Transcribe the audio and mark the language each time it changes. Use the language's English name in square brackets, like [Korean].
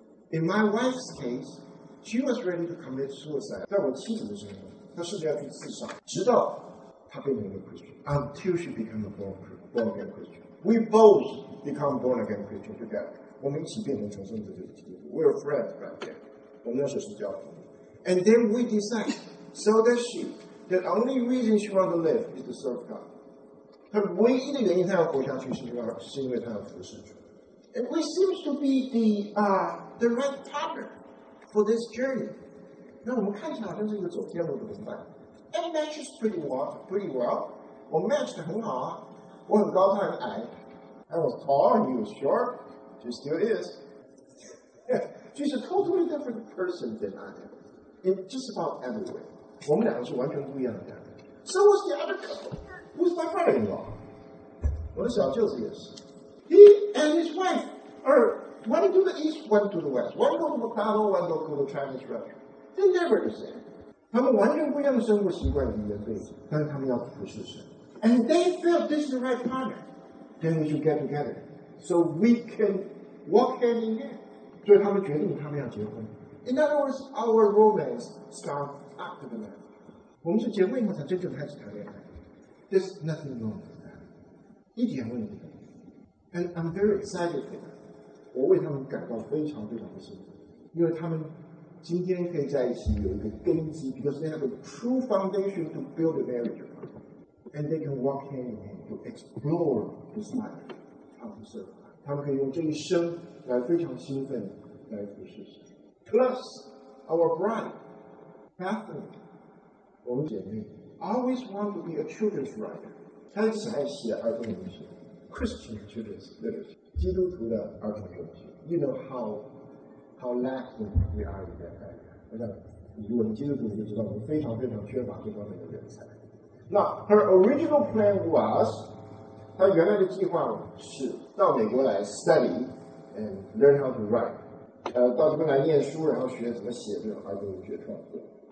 [English] In my wife's case, she was ready to commit suicide. [Chinese] 在我妻子的身上，她试着要去自杀，直到她变成一个 Christian. [English] Until she became a born again Christian. We both become born again Christian together. [Chinese] 我们一起变成重生者的基督徒。 [English] We're friends right there. [Chinese] 我们那时候是教徒。 [English] And then we decide, so does she, that the only reason she wants to live is to serve God. [Chinese] 她唯一的原因她要活下去是因为她要服侍主。 [English] And we seem to be the right partner for this journey. [Chinese] 那我们看起来好像是一个走天路的同伴。 [English] And it matches pretty well. [Chinese] 我 matched 很好啊。我很高，他很矮。 [English] I was tall, he was short. She still is. She's a totally different person than I am. In just about every way. [Chinese] 我们两个是完全不一样的。 [English] So was the other couple. Who's my father-in-law? [Chinese] 我的小舅子也是。 [English] He and his wife are one to the east, one to the west. One go to McDonald's, one go to the Chinese restaurant. They never the same. [Chinese] 他们完全不一样的生活习惯、语言背景，但是他们要服侍神。 [English] And they felt this is the right partner. Then we should get together, so we can walk hand in hand. [Chinese] 所以他们决定他们要结婚。 [English] In other words, our romance starts after the marriage. [Chinese] 我们是结婚以后才真正开始谈恋爱。 [English] There's nothing wrong with that. [Chinese] 一点问题。 [English] And I'm very excited for them. [Chinese] 我为他们感到非常非常的幸福，因为他们今天可以在一起有一个根基 ， [English] because they have a true foundation to build a marriage upon, and they can walk hand in hand to explore this life. [Chinese] 他们是，他们可以用这一生来非常兴奋来服侍神。 [English] Plus, our bride, Catherine, [Chinese] 我们姐妹 [English] always want to be a children's writer. [Chinese] 她很喜爱写儿童文学。 [English] Christian children's literature, [Chinese] 基督徒的儿童文学。 [English] You know how lacking we are in that area. [Chinese] 如果你基督徒，你就知道我们非常非常缺乏这方面的人才。那 [English] her original plan was, [Chinese] 她原来的计划是到美国来 [English] study and learn how to write. [Chinese] 到这边来念书，然后学怎么写这种儿童文学创作。